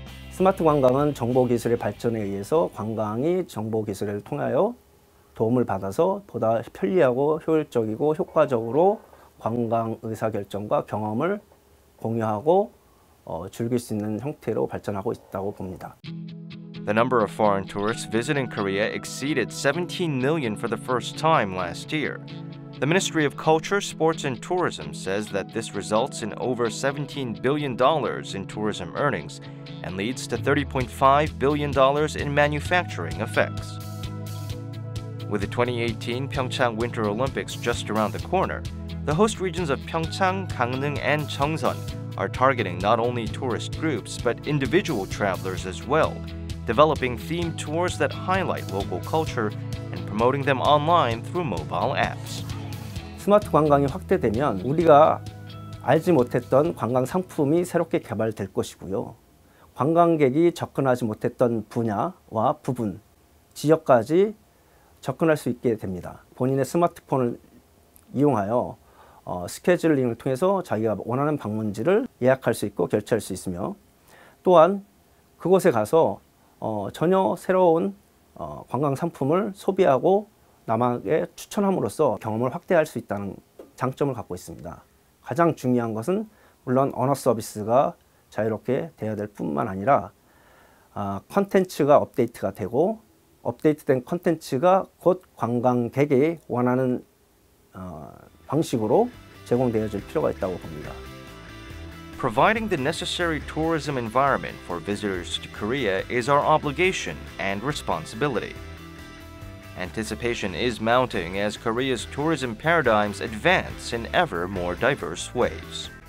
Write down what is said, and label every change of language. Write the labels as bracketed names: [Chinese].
[Korean] 스마트 관광은 정보 기술의 발전에 의해서 관광이 정보 기술을 통하여 도움을 받아서 보다 편리하고 효율적이고 효과적으로 관광 의사 결정과 경험을 공유하고 즐길 수 있는 형태로 발전하고 있다고 봅니다. [English] The number of foreign tourists visiting Korea exceeded 17 million for the first time last year. The Ministry of Culture, Sports and Tourism says that this results in over $17 billion in tourism earnings and leads to $30.5 billion in manufacturing effects. With the 2018 Pyeongchang Winter Olympics just around the corner, the host regions of Pyeongchang, Gangneung, and Cheongsun are targeting not only tourist groups but individual travelers as well, developing themed tours that highlight local culture and promoting them online through mobile apps. [Korean] 스마트 관광이 확대되면 우리가 알지 못했던 관광 상품이 새롭게 개발될 것이고요. 관광객이 접근하지 못했던 분야와 부분, 지역까지 접근할 수 있게 됩니다. 본인의 스마트폰을 이용하여 스케줄링을 통해서 자기가 원하는 방문지를 예약할 수 있고 결제할 수 있으며 또한 그곳에 가서 전혀 새로운 관광 상품을 소비하고 남에게 추천함으로써 경험을 확대할 수 있다는 장점을 갖고 있습니다. 가장 중요한 것은 물론 언어 서비스가 자유롭게 되어야 될 뿐만 아니라 콘텐츠가 업데이트가 되고 업데이트된 콘텐츠가 곧 관광객이 원하는 방식으로 제공되어 줄 필요가 있다고 봅니다. [English] Providing the necessary tourism environment for visitors to Korea is our obligation and responsibility. Anticipation is mounting as Korea's tourism paradigms advance in ever more diverse ways.